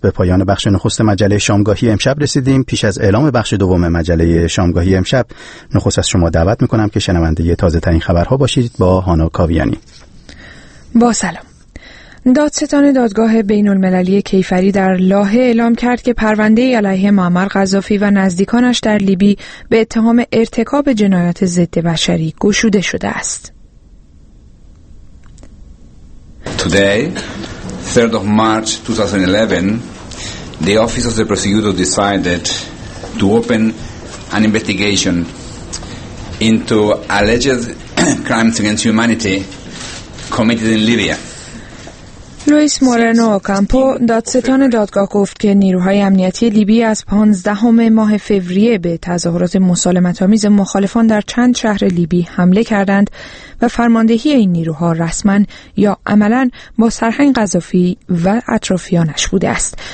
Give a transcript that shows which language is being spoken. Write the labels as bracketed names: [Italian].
[Persian] به پایان بخش نخست مجله شامگاهی امشب رسیدیم. پیش از اعلام بخش دوم مجله شامگاهی امشب، نخست از شما دعوت میکنم که شنونده تازه ترین خبرها باشید با هانا کاویانی. با سلام. دادستان دادگاه بین المللی کیفری در لاهه اعلام کرد که پرونده علیه معمر قذافی و نزدیکانش در لیبی به اتهام ارتکاب جنایات ضد بشری گشوده شده است. [English] Today, 3rd of March 2011, the Office of the Prosecutor decided to open an investigation into alleged crimes against humanity committed in Libya. [Persian] لوئیس مورنو اوکامپو دادستان دادگاه گفت که نیروهای امنیتی لیبی از 15 ماه فوریه به تظاهرات مسالمت‌آمیز مخالفان در چند شهر لیبی حمله کردند و فرماندهی این نیروها رسماً یا عملاً با سرهنگ قذافی و اطرافیانش بوده است.